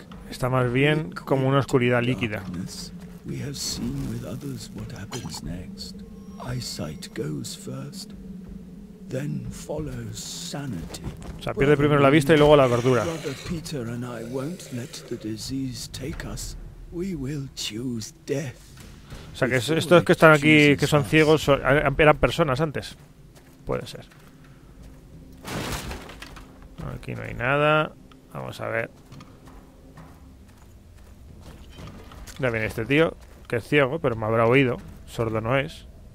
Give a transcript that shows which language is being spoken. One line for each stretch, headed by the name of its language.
Spanish: Está más bien como una oscuridad líquida.
English: We have seen with others what happens next. Eyesight goes first, then follows sanity.
Spanish: O sea, pierde primero la vista y luego la verdura.
English: Brother Peter and I won't let the disease take us. We will choose death.
Spanish: O sea, que estos que están aquí, que son ciegos, eran personas antes. Puede ser. Aquí no hay nada. Vamos a ver. Ya viene este tío, que es ciego, pero me habrá oído. Sordo no es.